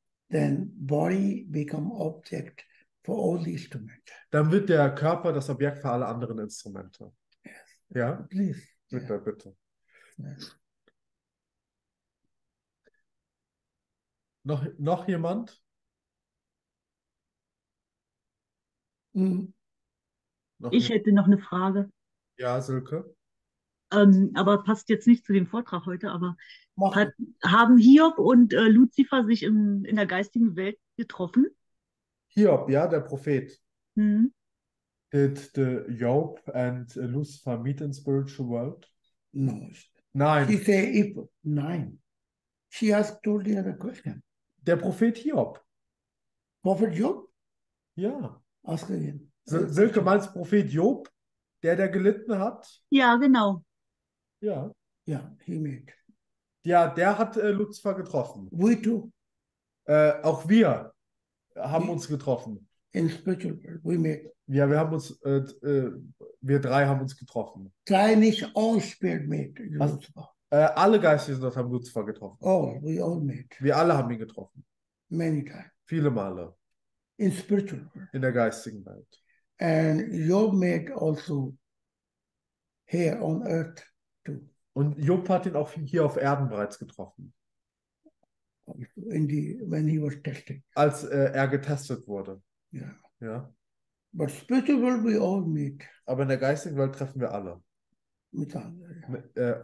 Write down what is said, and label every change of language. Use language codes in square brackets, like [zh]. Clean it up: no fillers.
[en] then body become object for all the instruments. [de] Dann wird der Körper das Objekt für alle anderen Instrumente. [en] Yes. [de] Ja? [en] Please. [de] Bitte. [en] Yes. [de] Noch jemand? Ich hätte noch eine Frage. Ja, Silke. Aber passt jetzt nicht zu dem Vortrag heute, aber haben Hiob und Luzifer sich in der geistigen Welt getroffen? Hiob, ja, der Prophet. Mhm. [en] Did the Job and Lucifer meet in spiritual world? No. [de] Nein. [en] She has told you another question. [de] Der Prophet Hiob. [en] Prophet Job? [de] Ja. [en] Ask again. [de] Silke, meinst du Prophet Job, der gelitten hat? Ja, genau. Ja. Ja, [en] he made. [de] Ja, der hat Luzifer getroffen. [en] We too. [de] Auch wir haben uns getroffen. [en] In spiritual world, we made. [de] Ja, wir haben uns, wir drei haben uns getroffen. Drei nicht [en] all spirit made, Luzifer. [de] Alle Geister sind dort, haben Luzifer getroffen. [en] Oh, we all met. [de] Wir alle haben ihn getroffen. [en] Many times. [de] Viele Male. [en] In spiritual world. [de] In der geistigen Welt. [en] And Job met also here on earth too. [de] Und Job hat ihn auch hier auf Erden bereits getroffen. [en] when he was tested. [de] Als er getestet wurde. [en] Yeah. [de] Ja. [en] But spiritual world we all meet. [de] Aber in der geistigen Welt treffen wir alle. Miteinander.